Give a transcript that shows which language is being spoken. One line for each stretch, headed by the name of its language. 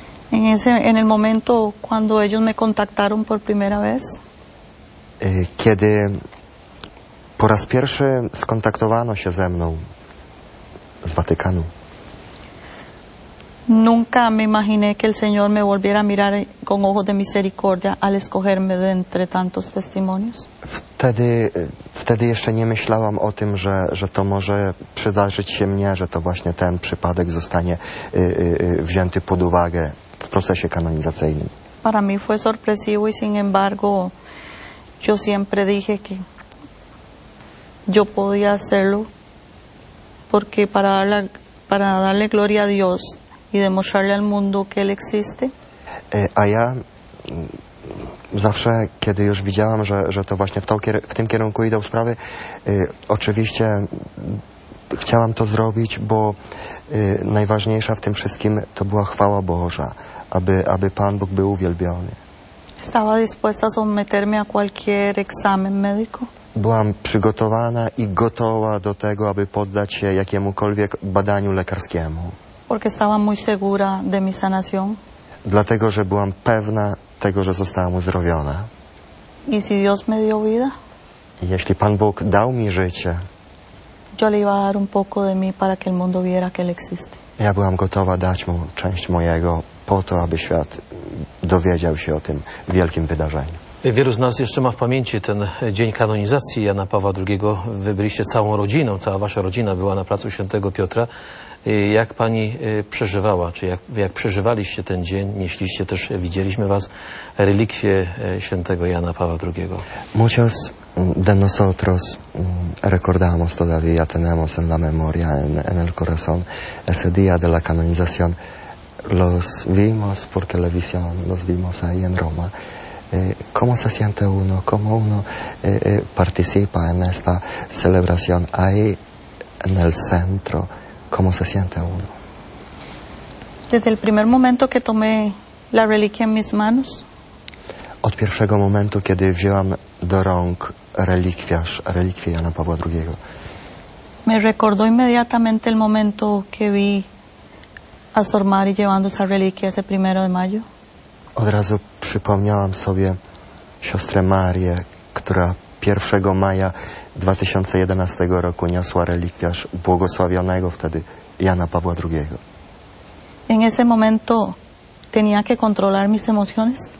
Spanish: En el momento cuando ellos me contactaron por primera vez.
Polish: Kiedy po raz pierwszy skontaktowano się ze mną z Watykanu.
Spanish: Nunca me imaginé que el Señor me volviera a mirar con ojos de misericordia al escogerme de entre tantos testimonios.
Polish: Wtedy jeszcze nie myślałam o tym, że to może przydarzyć się mnie, że to właśnie ten przypadek zostanie wzięty pod uwagę w procesie kanonizacyjnym.
Spanish: Para mí fue sorpresivo y sin embargo yo siempre dije que yo podía hacerlo porque para darle gloria a Dios y demostrarle al mundo que él existe.
Polish: A ja zawsze, kiedy już widziałam, że to właśnie w tym kierunku idą sprawy, oczywiście chciałam to zrobić, bo najważniejsza w tym wszystkim to była chwała Boża, aby Pan Bóg był uwielbiony.
Spanish: Estaba dispuesta a someterme a cualquier examen médico.
Polish: Byłam przygotowana i gotowa do tego, aby poddać się jakiemukolwiek badaniu lekarskiemu.
Spanish: Porque estaba muy segura de mi sanación.
Polish: Dlatego, że byłam pewna tego, że zostałam uzdrowiona.
Spanish: Y si Dios me dio vida?
Polish: Jeśli Pan Bóg dał mi życie,
Spanish: yo le iba a dar un poco de mí para que el mundo viera que él existe.
Polish: Ja byłam gotowa dać mu część mojego po to, aby świat dowiedział się o tym wielkim wydarzeniu. Wielu z nas jeszcze ma w pamięci ten dzień kanonizacji Jana Pawła II. Wy byliście całą rodziną, cała wasza rodzina była na placu świętego Piotra. Jak pani przeżywała, czy jak przeżywaliście ten dzień, nieśliście też, widzieliśmy was, relikwie świętego Jana Pawła II?
Spanish: Muchos de nosotros recordamos todavía, tenemos en la memoria, en el corazón, ese día de la canonización. Los vimos por televisión, los vimos ahí en Roma. ¿Cómo se siente uno? ¿Cómo uno participa en esta celebración ahí en el centro? ¿Cómo se siente uno? Desde el primer momento que tomé la reliquia en mis manos.
Polish: Od pierwszego momentu, kiedy wzięłam do rąk relikwię Jana Pawła II.
Spanish: Me recordó inmediatamente el momento que vi a Sor Mary llevando esa reliquia ese primero de mayo.
Polish: Od razu przypomniałam sobie siostrę Marię, która 1 maja 2011 roku niosła relikwiarz błogosławionego wtedy Jana Pawła II.
Spanish: En ese momento tenía que controlar mis emociones.